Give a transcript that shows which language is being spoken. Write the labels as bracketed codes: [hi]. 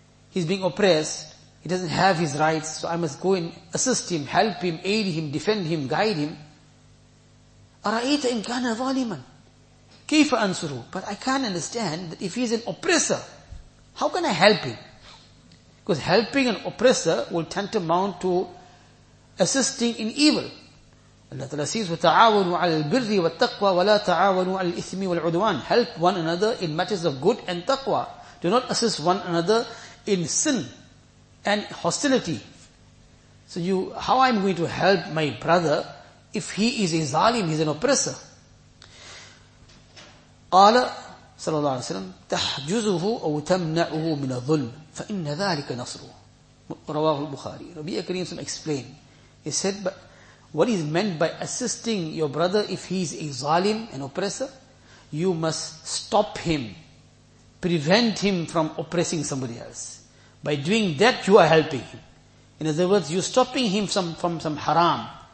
[en] He's being oppressed. He doesn't have his rights, so I must go and assist him, help him, aid him, defend him, guide him. [ar] أَرَأَيْتَ إِنْ كَانَ ظَالِمًا كَيْفَ أَنْصُرُهُ. [en] But I can't understand that if he's an oppressor, how can I help him? Because helping an oppressor will tantamount to assisting in evil. Allah Ta'ala says, [ar] وَتَعَاوَنُوا عَلَى الْبِرِّ وَالتَّقْوَى وَلَا تَعَاوَنُوا عَلَى الْإِثْمِ وَالْعُدْوَانِ. [en] Help one another in matters of good and taqwa. Do not assist one another in sin and hostility. So how I'm going to help my brother if he is a zalim, he's an oppressor? [ar] قال صلى الله عليه وسلم تحجزه أو تمنعه من الظلم فإن ذلك نصره. رواه البخاري. ربيع كريم صلى الله عليه وسلم [en] explained. He said, but what is meant by assisting your brother if he is a zalim, an oppressor? You must stop him, prevent him from oppressing somebody else. By doing that, you are helping him. In other words, you're stopping him from some haram.